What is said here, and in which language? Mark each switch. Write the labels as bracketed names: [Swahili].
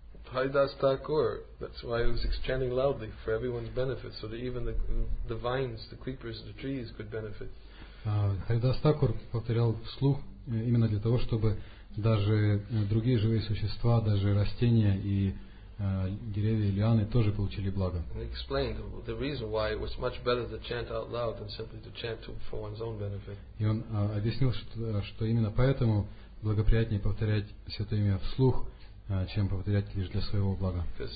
[English] Bhaidas Thakur, that's why he was chanting loudly for everyone's benefit, so that even the vines, the creepers, the trees could benefit. [Russian] Bhaidas Thakur повторял вслух именно для того, чтобы даже другие живые существа, даже растения и деревья, лианы тоже получили благо. [English] And he explained the reason why it was much better to chant out loud than simply to chant for one's own benefit. [Russian] И он объяснил, что именно поэтому благоприятнее повторять святое имя вслух, чем повторять лишь для своего блага.